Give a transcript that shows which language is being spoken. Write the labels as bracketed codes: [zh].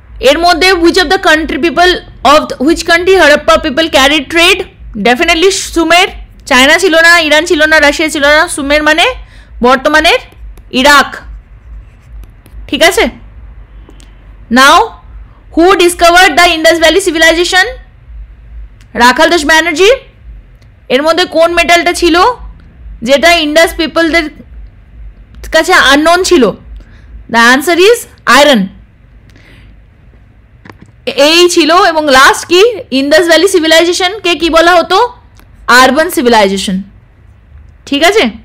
[bn] এর মধ্যে [en] which of the country people of the, which country Harappa people carried trade? Definitely Sumer. [bn] China ছিল না, Iran ছিল না, Russia ছিল না, Sumer মানে বর্তমানের Iraq. ঠিক আছে? [en] Now, who discovered the Indus Valley civilization? [bn] রাখাল দাস ব্যানার্জি. এর মধ্যে কোন মেটালটা ছিল যেটা ইন্ডাস পিপলদের কাছে আননোন ছিল? [en] The answer is iron. [bn] এই ছিল. এবং লাস্ট কি, ইন্ডাস ভ্যালি সিভিলাইজেশনকে কি বলা হতো? Urban civilisation. ঠিক আছে?